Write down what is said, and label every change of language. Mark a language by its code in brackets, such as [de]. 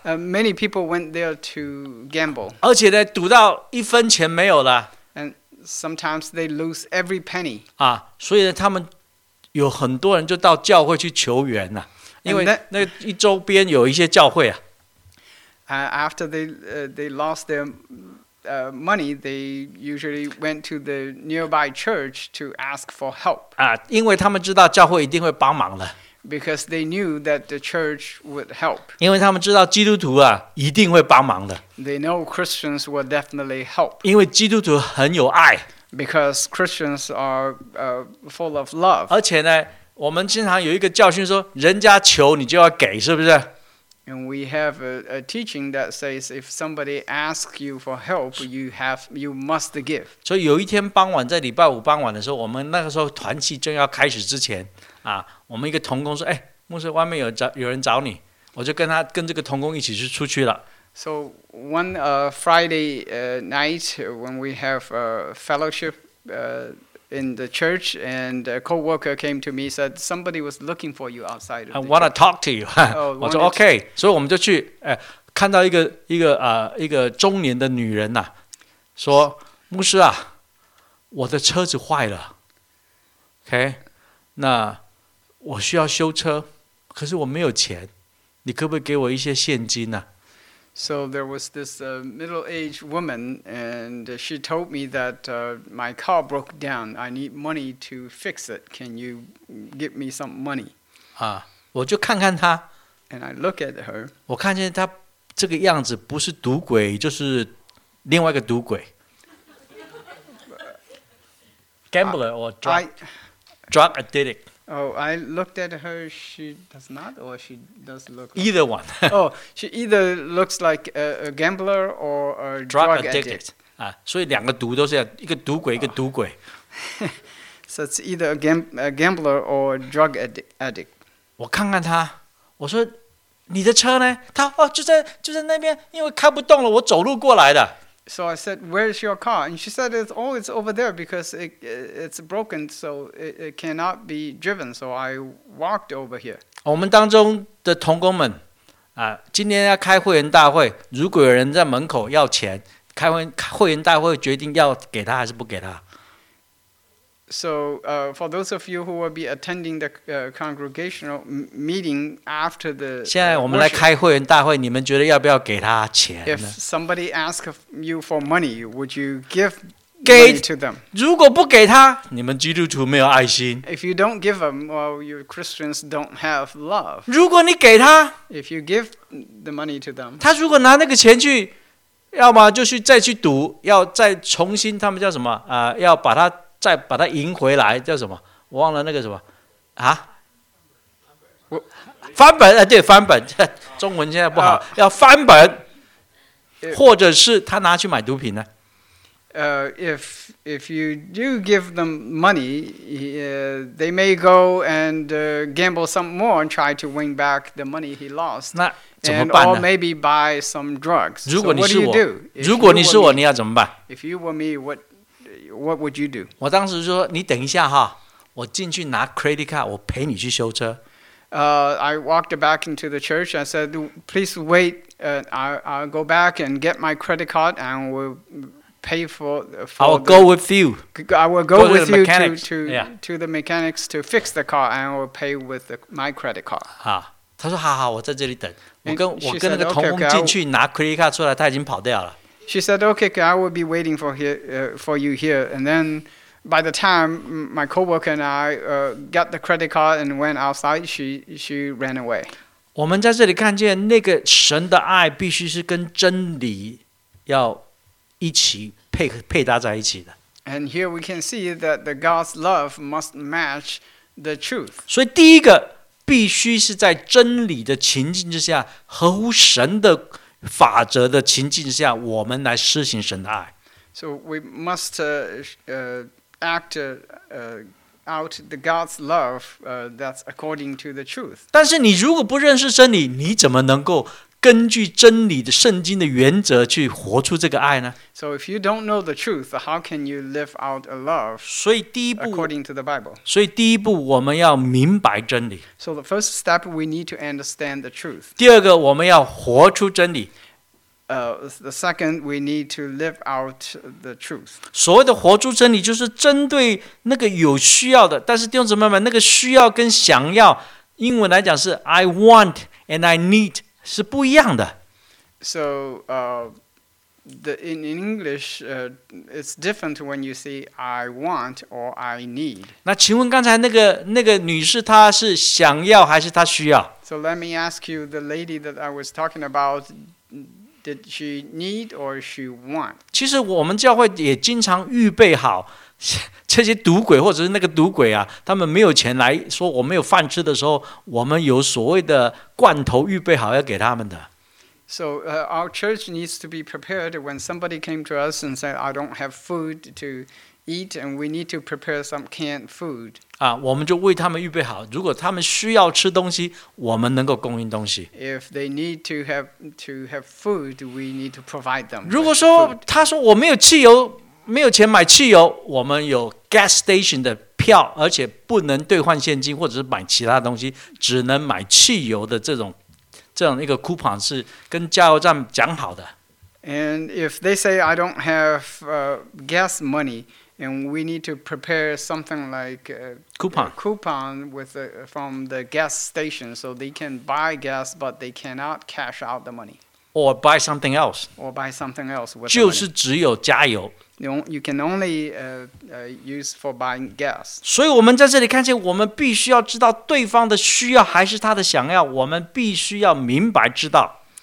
[en] Many people went there to gamble. [zh] 而且呢，赌到一分钱没有了。 [en] And sometimes they lose every penny. [zh] 啊，所以呢，他们有很多人就到教会去求援了。因为那一周边有一些教会啊。 [en] After they lost their money, they usually went to the nearby church to ask for help. [zh] 因为他们知道教会一定会帮忙了。 [en] Because they knew that the church would help. [zh] 因为他们知道基督徒啊，一定会帮忙的。 [en] They know Christians will definitely help. [zh] 因为基督徒很有爱。 [en] Because Christians are full of love. [zh] 而且呢，我们经常有一个教训说，人家求你就要给，是不是？ [en] And we have a teaching that says if somebody asks you for help, you must give. [zh] 所以有一天傍晚，在礼拜五傍晚的时候，我们那个时候团契正要开始之前，我们一个同工说，牧师，外面有人找你，我就跟这个同工一起去出去了。 [en] So one Friday night when we have a fellowship in the church, and a coworker came to me, said somebody was looking for you outside. I want to talk to you. [zh] 我说 OK， 所以我们就去，看到一个中年的女人说，牧师啊，我的车子坏了 ，OK， 那我需要修车，可是我没有钱，你可不可以给我一些现金呢？ [en] So there was this middle-aged woman, and she told me that my car broke down. I need money to fix it. Can you give me some money? [zh] 我就看看她。 [en] And I look at her. [zh] 我看见她这个样子不是赌鬼，就是另外一个赌鬼。 [en] Gambler or drug addict. Oh, I looked at her. She does not, or she does look like... Either one. Oh, she either looks like a gambler or a drug addict. So, [zh] 两个毒都是一个赌鬼，一个赌鬼。 [en] So it's either a gambler or a drug addict. [zh] 我看看他，我说，你的车呢？他就在那边，因为开不动了，我走路过来的。 [en] So I said, where is your car? And she said, it's over there because it's broken, so it cannot be driven. So I walked over here. [zh] 我们当中的同工们，今天要开会员大会，如果有人在门口要钱，会员大会决定要给他还是不给他。 [en] So for those of you who will be attending the congregational meeting after the worship, [zh] 现在我们来开会员大会，你们觉得要不要给他钱呢？ [en] If somebody asks you for money, would you give money to them? [zh] 如果不给他，你们基督徒没有爱心。 [en] If you don't give them, well, you Christians don't have love. [zh] 如果你给他， [en] If you give the money to them, [zh] 他如果拿那个钱去，要么就去再去赌，要再重新，他们叫什么？要把他再把它赢回来，叫什么？我忘了那个什么啊？翻本啊，对，翻本，中文现在不好，要翻本，或者是他拿去买毒品呢？ [en] If you do give them money, they may go and gamble some more and try to win back the money he lost. [zh] 那怎么办呢？ [en] And, or maybe buy some drugs. [zh] 如果你是我， so、如果你是我，你要怎么办？ [en] If you were me, What would you do? [zh] 我当时说，你等一下哈，我进去拿 credit card， 我陪你去修车。 [en] I walked back into the church. I said, please wait. I'll go back and get my credit card and we'll pay for. I will go with you. I will go with you to the mechanics to fix the car and I will pay with my credit card. [zh] 他说好好，我在这里等。我跟那个同工进去拿 credit card 出来，他已经跑掉了。 [en] She said, okay, I will be waiting for you here. And then by the time my coworker and I got the credit card and went outside, she ran away. [zh] 我们在这里看见那个神的爱必须是跟真理要一起配搭在一起的。 [en] And here we can see that the God's love must match the truth. [zh] 所以第一个必须是在真理的情境之下，合乎神的法则的情境下，我们来施行神的爱。 [en] So we must act out the God's love that's according to the truth. [zh] 但是你如果不认识真理，你怎么能够根据真理的圣经的原则去活出这个爱呢？ [en] So if you don't know the truth, how can you live out a love? [zh] 所以第一步 [en] according to the Bible. [zh] 所以第一步我们要明白真理。 [en] So the first step we need to understand the truth. [zh] 第二个我们要活出真理。 [en] The second we need to live out the truth. [zh] 所谓的活出真理就是针对那个有需要的，但是弟兄姊妹们，那个需要跟想要，英文来讲是 [en] I want and I need。 [zh] 是不一样的。 [en] So, In English, it's different when you say I want or I need. [zh] 那请问刚才那个女士她是想要还是她需要？ [en] So let me ask you, the lady that I was talking about, did she need or she want? [zh] 其实我们教会也经常预备好这些赌鬼或者是那个赌鬼啊，他们没有钱来说我没有饭吃的时候，我们有所谓的罐头预备好要给他们的。 [en] So our church needs to be prepared when somebody came to us and said, I don't have food to eat, and we need to prepare some canned food. [zh] 啊，我们就为他们预备好，如果他们需要吃东西，我们能够供应东西。 [en] If they need to have food, we need to provide them. [zh] 如果说他说我没有汽油，没有钱买汽油，我们有 gas station 的票，而且不能兑换现金或者是买其他东西，只能买汽油的这种一个 coupon 是跟加油站讲好的。 [en] And if they say I don't have gas money, and we need to prepare something like a coupon with from the gas station, so they can buy gas, but they cannot cash out the money. Or buy something else. Or buy something else with. [zh] 就是只有加油。 [en] You can only use for buying gas. [zh] 所以我们在这里看见，我们必须要知道对方的需要还是他的想要，我们必须要明白知道。